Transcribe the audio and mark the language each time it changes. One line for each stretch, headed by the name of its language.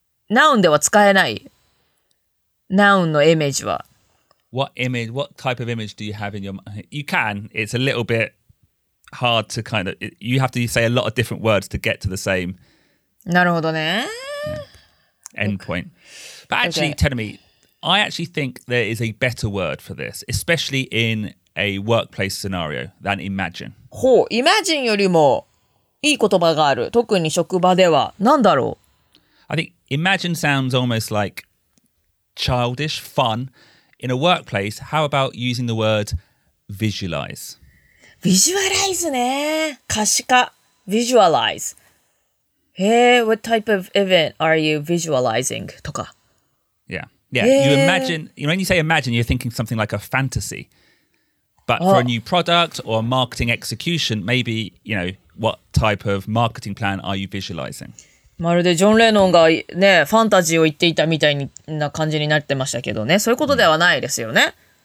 Japanese: ナウンでは使えないナウンのイメージは
English: What image, what type of image do you have in your mind? You can, it's a little bit hard to kind of, you have to say a lot of different words to get to the same.
Japanese: なるほどね。
English: End point. But actually, Tenomi, I actually think there is a better word for this, especially in a workplace scenario than imagine.
Japanese: ほう、imagine よりもいい言葉がある。特に職場では。なんだろう?
English: I think imagine sounds almost like childish, fun. In a workplace, how about using the word visualize?
Japanese: Visualize ね。可視化。Visualize.
English: Hey, what type of event are you visualizing?
Japanese: とか
English: Yeah. Yeah. Hey. You imagine, you know, when you say imagine, you're thinking something like a fantasy. But for a new product or a marketing execution, maybe, you know, what type of marketing plan are you visualizing?
Japanese: まるでジョン・レノンがね、ファンタジーを言っていたみたいな感じになってましたけどね。そういうことではないですよね。